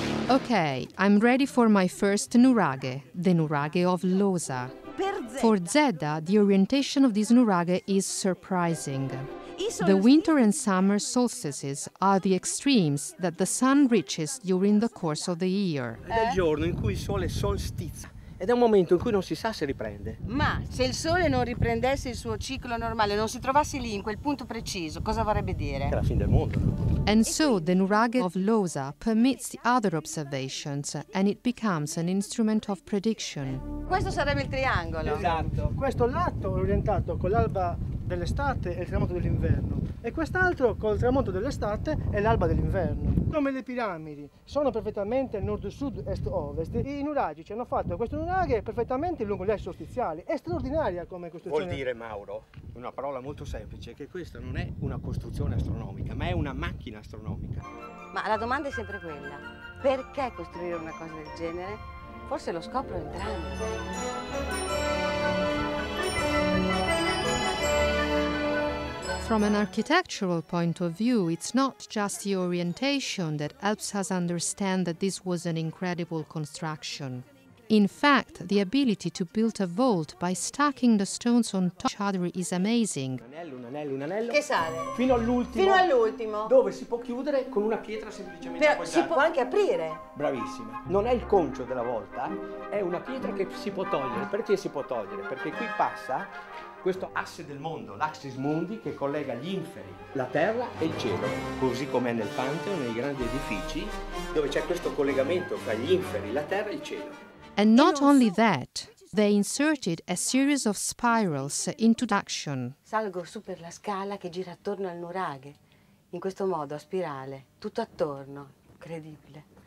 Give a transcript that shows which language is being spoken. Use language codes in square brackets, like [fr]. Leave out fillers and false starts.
[en] Okay, I'm ready for my first Nuraghe, the Nuraghe of Losa. For Zedda, the orientation of this Nuraghe is surprising. The winter and summer solstices are the extremes that the sun reaches during the course of the year. [it] È il giorno in cui il sole solstizza ed è un momento in cui non si sa se riprende. Ma se il sole non riprendesse il suo ciclo normale, non si trovasse lì in quel punto preciso, cosa vorrebbe dire? È la fine del mondo. [en] And so the Nuraghe of Losa permits the other observations and it becomes an instrument of prediction. [it] Questo sarebbe il triangolo. Esatto. Questo lato orientato con l'alba dell'estate e il tramonto dell'inverno e quest'altro col tramonto dell'estate e l'alba dell'inverno. Come le piramidi sono perfettamente nord-sud, est-ovest, i nuraghi ci hanno fatto questo nuraghe perfettamente lungo gli assi solstiziali. È straordinaria come costruzione. Vuol dire, Mauro, una parola molto semplice, che questa non è una costruzione astronomica, ma è una macchina astronomica. Ma la domanda è sempre quella: perché costruire una cosa del genere? Forse lo scopro entrando. [en] From an architectural point of view, it's not just the orientation that helps us understand that this was an incredible construction. In fact, the ability to build a vault by stacking the stones on top of each other is amazing. [it] Un anello. Che sale? Fino all'ultimo. Dove si può chiudere con una pietra semplicemente però appoggiata. Si può anche aprire. Bravissima. Non è il concio della volta, è una pietra che si può togliere. Perché si può togliere? Perché qui passa questo asse del mondo, l'Axis Mundi, che collega gli inferi, la terra e il cielo, così come nel Pantheon, nei grandi edifici, dove c'è questo collegamento tra gli inferi, la terra e il cielo. [en] And not only that, they inserted a series of spirals into action. [it] Salgo su per la scala che gira attorno al nuraghe, in questo modo, a spirale, tutto attorno, incredibile.